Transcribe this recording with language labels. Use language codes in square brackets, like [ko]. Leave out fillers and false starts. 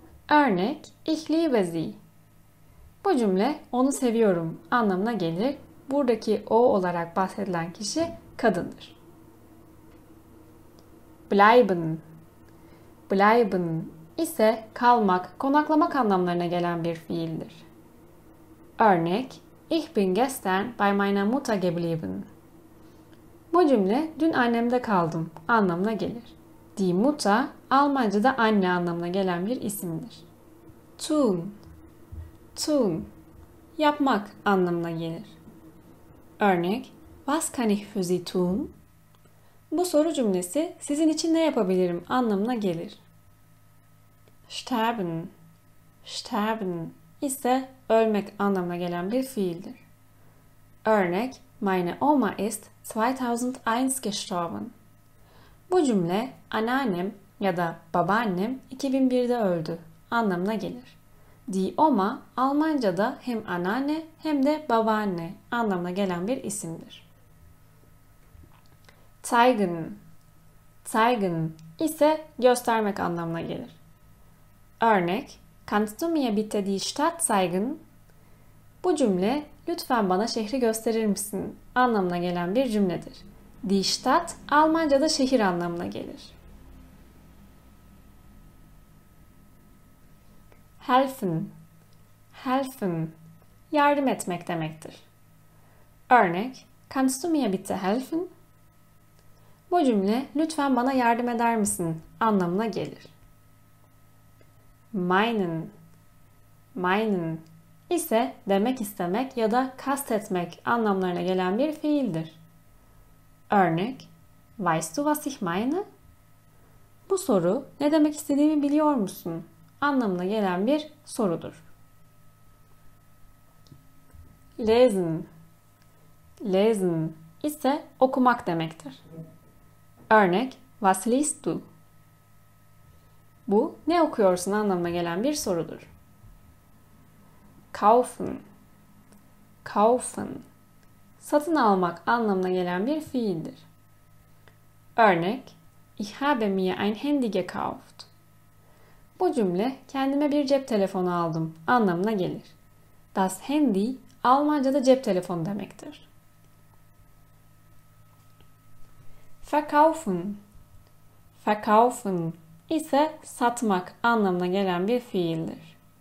[tr] Örnek: [de] Ich liebe sie. [tr] Bu cümle onu seviyorum anlamına gelir. Buradaki o olarak bahsedilen kişi kadındır. Bleiben. Bleiben ise kalmak, konaklamak anlamlarına gelen bir fiildir. Örnek: [de] Ich bin gestern bei meiner Mutter geblieben. [tr] Bu cümle dün annemde kaldım anlamına gelir. Die Mutter Almanca'da anne anlamına gelen bir isimdir. Tun. Tun yapmak anlamına gelir. Örnek: [de] Was kann ich für Sie tun? [tr] Bu soru cümlesi sizin için ne yapabilirim anlamına gelir. Sterben. Sterben ise ölmek anlamına gelen bir fiildir. Örnek: [de] Meine Oma ist 2001 gestorben. [tr] Bu cümle anneannem ya da babaannem 2001'de öldü anlamına gelir. Die Oma Almanca'da hem anneanne hem de babaanne anlamına gelen bir isimdir. Zeigen. Zeigen ise göstermek anlamına gelir. Örnek: [de] Kannst du mir bitte die Stadt zeigen? [tr] Bu cümle lütfen bana şehri gösterir misin anlamına gelen bir cümledir. Die Stadt Almanca'da şehir anlamına gelir. Helfen. Helfen yardım etmek demektir. Örnek: [de] Kannst du mir bitte helfen? [tr] Bu cümle lütfen bana yardım eder misin anlamına gelir. Meinen. Meinen ise demek istemek ya da kastetmek anlamlarına gelen bir fiildir. Örnek: [de] Weißt du was ich meine? [tr] Bu soru ne demek istediğimi biliyor musun anlamına gelen bir sorudur. Lesen. Lesen ise okumak demektir. Örnek: [de] Was liest du? [tr] Bu ne okuyorsun anlamına gelen bir sorudur. Kaufen. Kaufen. Satın almak anlamına gelen bir fiildir. Örnek: [de] Ich habe mir ein Handy gekauft. [tr] Bu cümle kendime bir cep telefonu aldım anlamına gelir. Das Handy Almanca'da cep telefonu demektir. Verkaufen. Verkaufen ise satmak anlamına gelen bir fiildir.